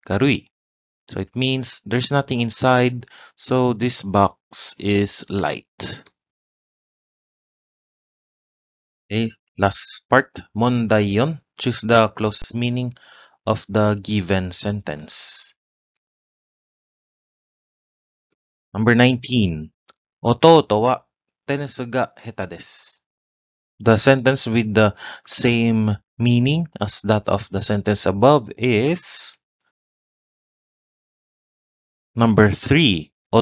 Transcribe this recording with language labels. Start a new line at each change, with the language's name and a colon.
English: So it means there's nothing inside, so this box is light. Okay. Last part, 問題4. Choose the closest meaning of the given sentence. Number 19.
Japanese: 弟はテニスが下手です.
English: The sentence with the same meaning as that of the sentence above is number 3.